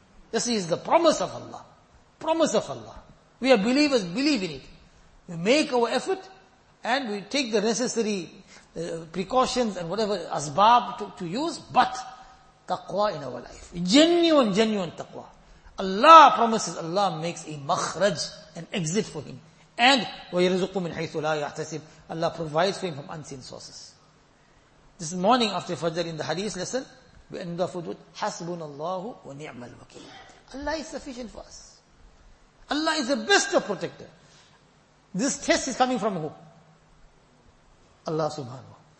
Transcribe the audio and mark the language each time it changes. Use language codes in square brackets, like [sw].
[en] This is the promise of Allah. Promise of Allah. We are believers, believe in it. We make our effort and we take the necessary precautions and whatever asbab to use, but taqwa in our life. Genuine, genuine taqwa. Allah promises, Allah makes a makhraj, an exit for him. And [ar] وَيَرْزُقُ مِنْ حَيْثُ لَا يَحْتَسِبُ. [en] Allah provides for him from unseen sources. This morning after Fajr in the Hadith lesson, we end off with [ar] حَسْبُنَ اللَّهُ وَنِعْمَ الْوَكِيلُ. [en] Allah is sufficient for us. Allah is the best of protector. This test is coming from who? Allah subhanahu.